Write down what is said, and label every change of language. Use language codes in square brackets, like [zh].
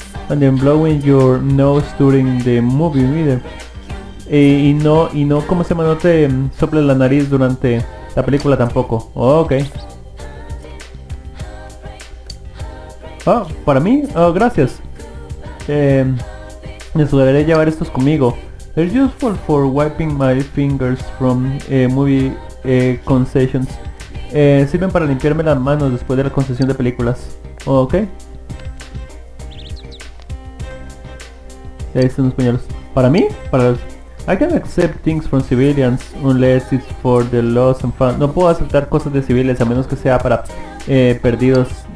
[en] And then blowing your nose during the movie either. [es] Y no como se llama, no te soples la nariz durante la película tampoco. Ok. Oh, ¿para mí? Oh, gracias. Eso debería llevar estos conmigo. [en] They're useful for wiping my fingers from movie concessions. [es] Sirven para limpiarme las manos después de la concesión de películas. Oh, ok. Ahí están los pañuelos. ¿Para mí? Para los... [en] I can accept things from civilians unless it's for the lost and found. [es] No puedo aceptar cosas de civiles a menos que sea para perdidos.